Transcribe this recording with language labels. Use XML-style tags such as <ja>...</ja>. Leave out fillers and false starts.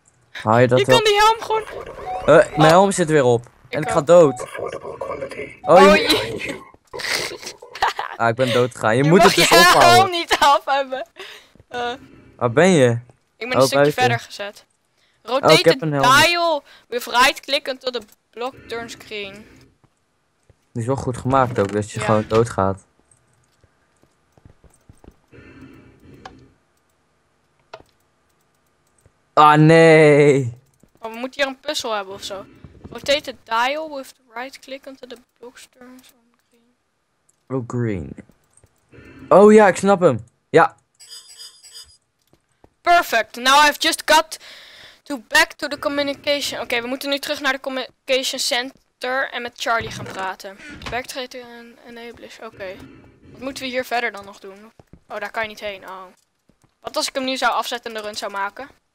<nl>Haal je dat je kan die helm gewoon... Mijn helm zit er weer op. Ik ga dood. Ik ben dood gegaan. Je moet het dus ophouden. Je mag je helm niet af hebben. Waar ben je? Ik ben een stukje verder gezet.</nl> <en>Rotate the dial with right click until the block turns green.</en> <nl>Die is wel goed gemaakt ook, dat je gewoon dood gaat. Ah, nee. Oh, we moeten hier een puzzel hebben ofzo.</nl> <en>Rotate the dial with the right click until the block turns green.</en> <nl>Oh, green. Oh ja, ik snap hem. Ja. Perfect.</nl> <en>Now I've just got to back to the communication.</en> <nl>Oké, we moeten nu terug naar de communication center en met Charlie gaan praten. Backtracking en enablish. Oké. Wat moeten we hier verder dan nog doen? Oh, daar kan je niet heen. Oh. Wat als ik hem nu zou afzetten en de run zou maken?</nl>